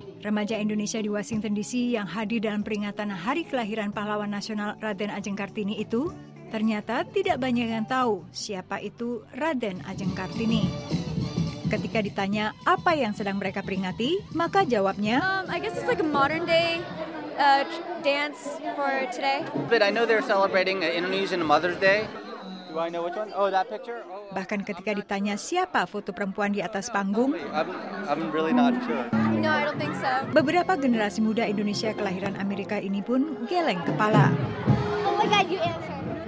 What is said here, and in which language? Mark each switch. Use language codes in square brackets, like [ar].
[id] Remaja Indonesia di Washington DC yang hadir dalam peringatan hari kelahiran pahlawan nasional Raden Ajeng Kartini itu, ternyata tidak banyak yang tahu siapa itu Raden Ajeng Kartini. Ketika ditanya apa yang sedang mereka peringati, maka jawabnya, [en] I guess it's like a modern day dance for today. But I know they're celebrating Indonesian Mother's Day. Do I know which one? Oh, that picture? Oh, [id] bahkan ketika ditanya siapa foto perempuan di atas panggung, [en] I'm really not sure. No, I don't think so. [id] Beberapa generasi muda Indonesia kelahiran Amerika ini pun geleng kepala. [en] Oh my God, you answer.